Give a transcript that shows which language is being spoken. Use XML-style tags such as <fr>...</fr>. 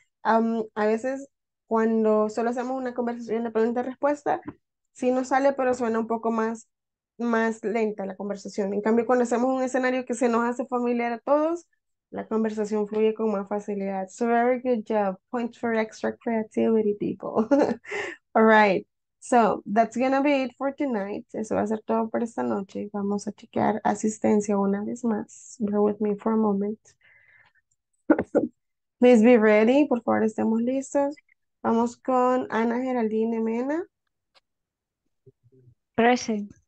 <es>A veces, cuando solo hacemos una conversación de pregunta y respuesta, sí nos sale, pero suena un poco más lenta la conversación. En cambio, cuando hacemos un escenario que se nos hace familiar a todos, la conversación fluye con más facilidad.</es> <en>So, very good job. Points for extra creativity, people. All right. So, that's going to be it for tonight.</en> <es>Eso va a ser todo por esta noche. Vamos a chequear asistencia una vez más.</es> <en>Bear with me for a moment. Please be ready.</en> <es>Por favor, estemos listos. Vamos con Ana Geraldine Mena.</es> <en>Present.</en>